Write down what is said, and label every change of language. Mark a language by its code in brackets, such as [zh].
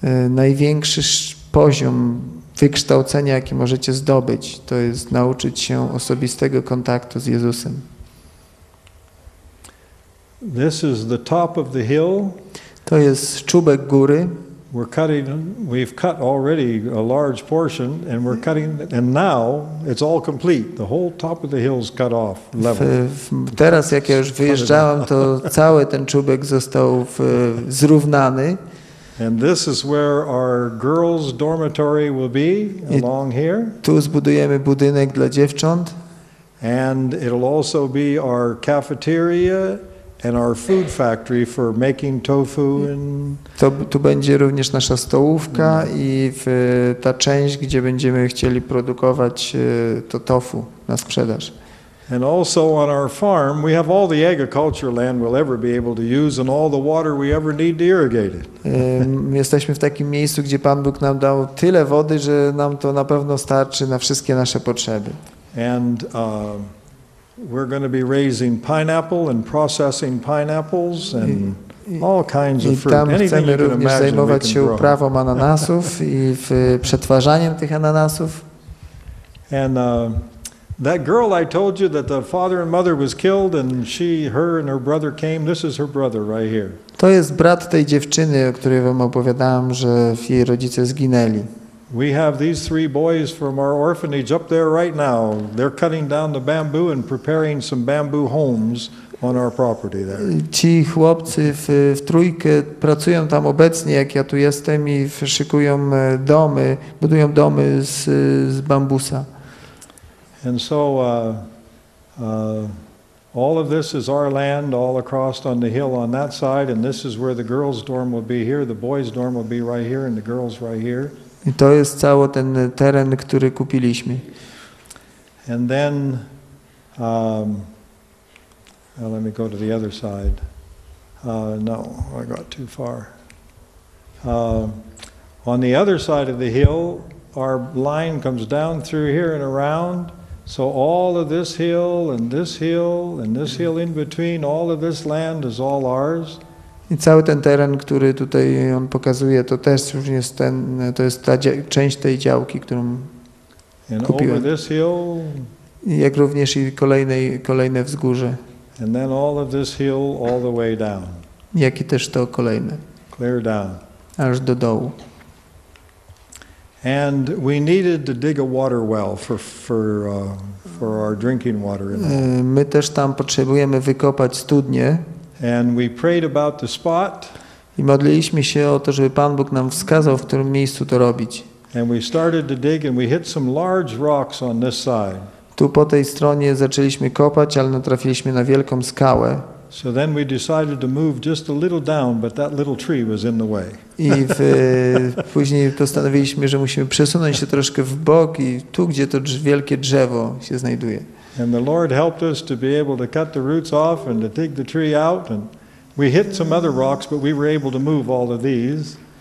[pl] Największy poziom wykształcenia, jaki możecie zdobyć, to jest nauczyć się osobistego kontaktu z Jezusem. [en] This is the top of the hill. [pl] To jest czubek góry. [en] We're cutting, we've cut already a large portion, and we're cutting, and now it's all complete. The whole top of the hill's cut off, level. [pl] Teraz, jak ja już wyjeżdżałem, to cały ten czubek został zrównany. [en] And this is where our girls' dormitory will be along here. [pl] Tu zbudujemy budynek dla dziewcząt. [en] And it'll also be our cafeteria and our food factory for making tofu and. [pl] Tu będzie również nasza stołówka i ta część, gdzie będziemy chcieli produkować to tofu na sprzedaż. [en] And also on our farm, we have all the agriculture land we'll ever be able to use and all the water we ever need to irrigate it. [pl] Jesteśmy w takim miejscu, gdzie Pan Bóg nam dał tyle wody, że nam to na pewno starczy na wszystkie nasze potrzeby. [en] And we're going to be raising pineapple and processing pineapples and all kinds of fruit. [pl] Tam chcemy również zajmować się uprawą ananasów i przetwarzaniem tych ananasów. [en] And that girl I told you that the father and mother was killed and she, her and her brother came. This is her brother right here. [pl] To jest brat tej dziewczyny, o której wam opowiadałam, że jej rodzice zginęli. [en] We have these three boys from our orphanage up there right now. They're cutting down the bamboo and preparing some bamboo homes on our property there. [pl] Ci chłopcy w trójkę pracują tam obecnie, jak ja tu jestem, i szykują domy, budują domy z bambusa. [en] And so all of this is our land all across on the hill on that side, and this is where the girls' dorm will be here, the boys' dorm will be right here, and the girls' right here. [pl] I to jest cały ten teren, który kupiliśmy. [en] And then, well, let me go to the other side. No, I got too far. On the other side of the hill, our line comes down through here and around. So all of this hill and this hill and this hill in between, all of this land is all ours. [pl] I cały ten teren, który tutaj on pokazuje, to też już jest ten, to jest ta część tej działki, którą [en] and [pl] kupiłem. [en] Over this hill, [pl] jak również i kolejne wzgórze. [en] And then all of this hill all the way down. [pl] Jak i też to kolejne. [en] Clear down. [pl] Aż do dołu. [en] And we needed to dig a water well for our drinking water. [pl] My też tam potrzebujemy wykopać studnię. [en] And we prayed about the spot. [pl] I modliliśmy się o to, żeby Pan Bóg nam wskazał, w którym miejscu to robić. [en] And we started to dig and we hit some large rocks on this side. [pl] Tu po tej stronie zaczęliśmy kopać, ale natrafiliśmy na wielką skałę. [en] So then we decided to move just a little down, but that little tree was in the way. [pl] I później postanowiliśmy, że musimy przesunąć się troszkę w bok i tu, gdzie to wielkie drzewo się znajduje. [en] And the Lord helped us to be able to cut the roots off and to dig the tree out, and we hit some other rocks, but we were able to move all of these.